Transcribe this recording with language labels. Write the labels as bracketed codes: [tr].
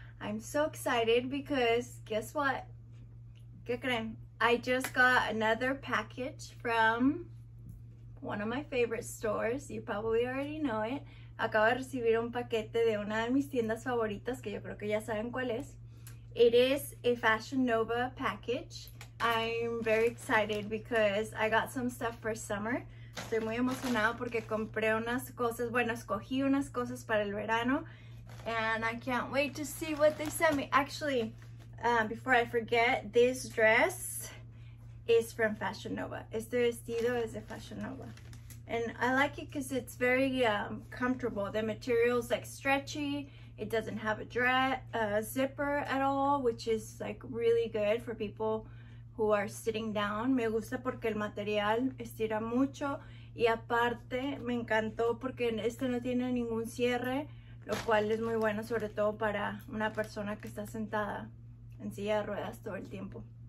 [en] I'm so excited because guess what? [es] ¿Qué creen? [en] I just got another package from one of my favorite stores. You probably already know it. [es] Acabo de recibir un paquete de una de mis tiendas favoritas, que yo creo que ya saben cuál es. [en] It is a Fashion Nova package. I'm very excited because I got some stuff for summer. [es] Estoy muy emocionada porque compré unas cosas, bueno, escogí unas cosas para el verano. [en] And I can't wait to see what they sent me. Actually, before I forget, this dress is from Fashion Nova. [es] Este vestido es de Fashion Nova. [en] And I like it because it's very comfortable. The material is like stretchy. It doesn't have a zipper at all, which is like really good for people who are sitting down. [es] Me gusta porque el material estira mucho y aparte me encantó porque este no tiene ningún cierre, lo cual es muy bueno sobre todo para una persona que está sentada en silla de ruedas todo el tiempo.